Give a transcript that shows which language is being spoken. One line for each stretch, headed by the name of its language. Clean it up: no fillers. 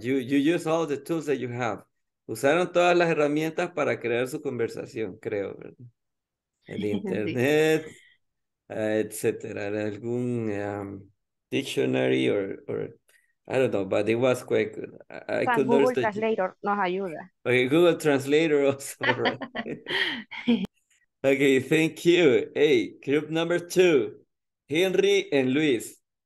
English: You use all the tools that you have.
Spanish: Usaron todas las herramientas para crear su conversación, creo, ¿verdad? El internet, etc. Algún
English: dictionary or I don't know, but it was quite good. I could
Spanish: Google Translator nos ayuda.
English: Okay, Google Translator also. Right? Okay, thank you. Hey, group number two, Henry and Luis.